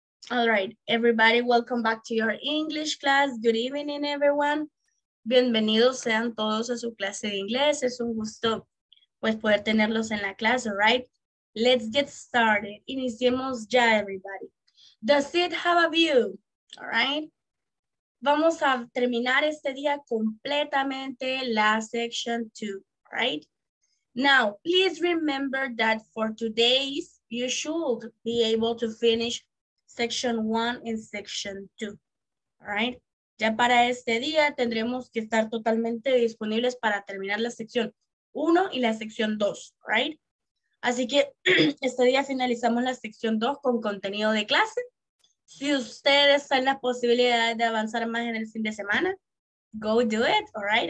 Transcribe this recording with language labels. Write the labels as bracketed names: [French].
[English] All right, everybody, welcome back to your English class. Good evening, everyone. [Spanish] Bienvenidos sean todos a su clase de inglés. Es un gusto, pues, poder tenerlos en la clase, right? [English] Let's get started. [Spanish] Iniciemos ya, [English] everybody. Does it have a view? All right. [Spanish] Vamos a terminar este día completamente la section 2, right? [English] Now, please remember that for today's, you should be able to finish Section 1 and Section 2, all right? [Spanish] Ya para este día tendremos que estar totalmente disponibles para terminar la sección 1 y la sección 2, right? Así que este día finalizamos la sección 2 con contenido de clase. Si ustedes están en la posibilidad de avanzar más en el fin de semana, [English] go do it, [Spanish] all right?